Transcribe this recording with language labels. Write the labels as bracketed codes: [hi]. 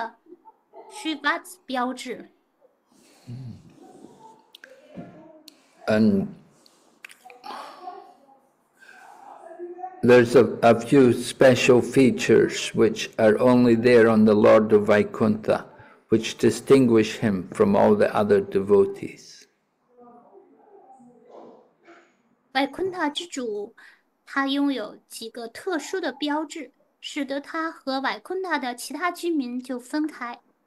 [zh] Gopakumar的陪同人员告诉他说，主Narayana他拥有着特殊的胸膛，拥有特殊的Sri Vatsa标志。 [en] And there's a few special features which are only there on the Lord of Vaikuntha, which distinguish him from all the other devotees. [zh] Vaikuntha之主，他拥有几个特殊的标志，使得他和Vaikuntha的其他居民就分开。